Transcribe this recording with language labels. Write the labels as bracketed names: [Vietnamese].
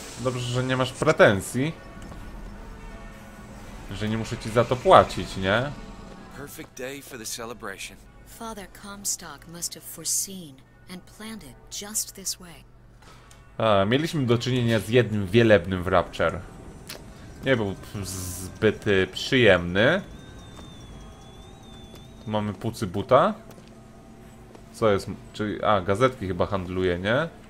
[Polish] Dobrze, że nie masz pretensji. Że nie muszę ci za to płacić, nie? [English] Perfect day for the celebration. Father Comstock must have foreseen and planned it just this way. [Polish] A, mieliśmy do czynienia z jednym wielebnym w Rapture. Nie był zbyt przyjemny. Tu mamy pucy buta. Co jest? Czyli, a, gazetki chyba handluje, nie?